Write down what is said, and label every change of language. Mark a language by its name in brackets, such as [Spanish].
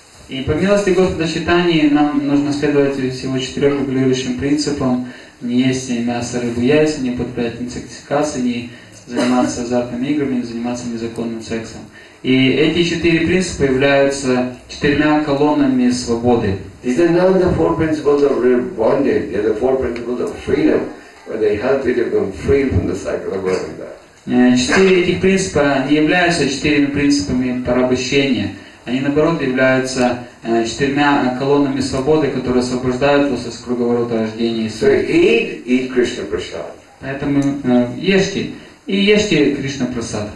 [Russian] И по милости Господа Чайтаньи нам нужно следовать всего четырем регулирующим принципам: не есть мясо, рыбу, яйца, не употреблять интоксикации, не заниматься азартными играми, не заниматься незаконным сексом. И эти четыре принципа являются четырьмя колоннами свободы. [English] These are not the four principles of bondage. They're the four principles of freedom. Where they help you to become free from the cycle of worrying that. [Russian] Четыре этих принципа не являются четырьмя принципами порабощения. Они, наоборот, являются четырьмя колоннами свободы, которые освобождают вас из круговорота рождения. [English] So eat Krishna Prasad. [Russian] Поэтому ешьте и ешьте Кришна Прасад.